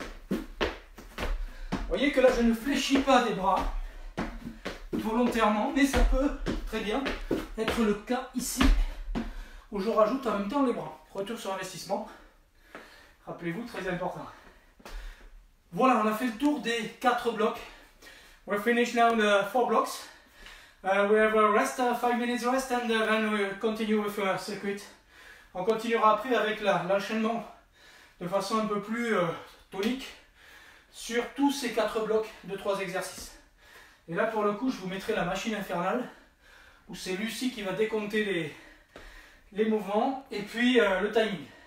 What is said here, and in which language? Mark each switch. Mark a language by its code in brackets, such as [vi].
[fr] Vous voyez que là je ne fléchis pas des bras volontairement, mais ça peut très bien être le cas ici où je rajoute en même temps les bras. Retour sur investissement, rappelez-vous, très important. Voilà, on a fait le tour des 4 blocs. [en] We're finished now the 4 blocks. We have a rest, 5 minutes rest, and then we continue with the circuit. [fr] On continuera après avec l'enchaînement de façon un peu plus tonique sur tous ces 4 blocs de 3 exercices. Et là pour le coup je vous mettrai la machine infernale où c'est Lucie qui va décompter les mouvements et puis le timing.